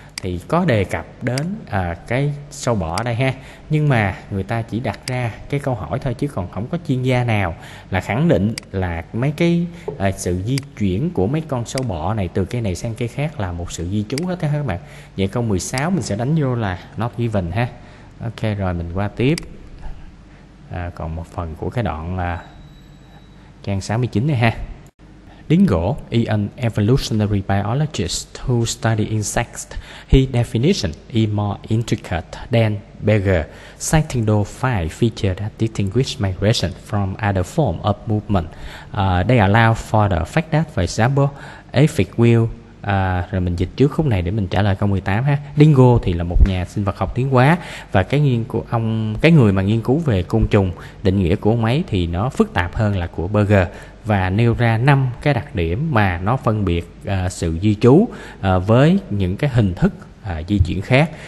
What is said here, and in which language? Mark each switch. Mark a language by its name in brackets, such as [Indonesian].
[Vietnamese] Thì có đề cập đến cái sâu bọ ở đây ha, nhưng mà người ta chỉ đặt ra cái câu hỏi thôi, chứ còn không có chuyên gia nào là khẳng định là mấy cái sự di chuyển của mấy con sâu bọ này từ cây này sang cây khác là một sự di trú hết các bạn. Vậy câu 16 mình sẽ đánh vô là not given ha. Ok, rồi mình qua tiếp. Còn một phần của cái đoạn trang 69 này ha. [English] Dingle, an evolutionary biologist who studied insects, his definition is more intricate than Berger, citing those five features that distinguish migration from other forms of movement. They allow for the fact that, for example, aphid will. [Vietnamese] Rồi mình dịch trước khúc này để mình trả lời câu 18 ha. Dingo thì là một nhà sinh vật học tiến hóa, và cái nghiên cứu ông, cái người mà nghiên cứu về côn trùng, định nghĩa của ông ấy thì nó phức tạp hơn là của Berger, và nêu ra năm cái đặc điểm mà nó phân biệt sự di trú với những cái hình thức di chuyển khác.